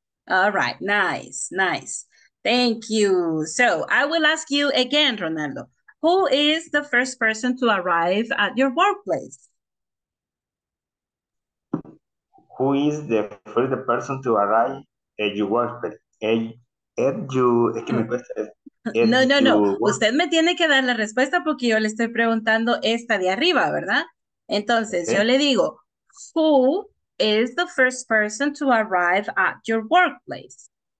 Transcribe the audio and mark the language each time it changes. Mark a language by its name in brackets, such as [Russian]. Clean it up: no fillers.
[English] All right. Nice. Thank you. So I will ask you again, Ronaldo. Who is the first person to arrive at your workplace? Who is the first person to arrive at your workplace? No. [Spanish] Usted me tiene que dar la respuesta porque yo le estoy preguntando esta de arriba, ¿verdad? Entonces, yo le digo, [English] who is the first person to arrive at your workplace?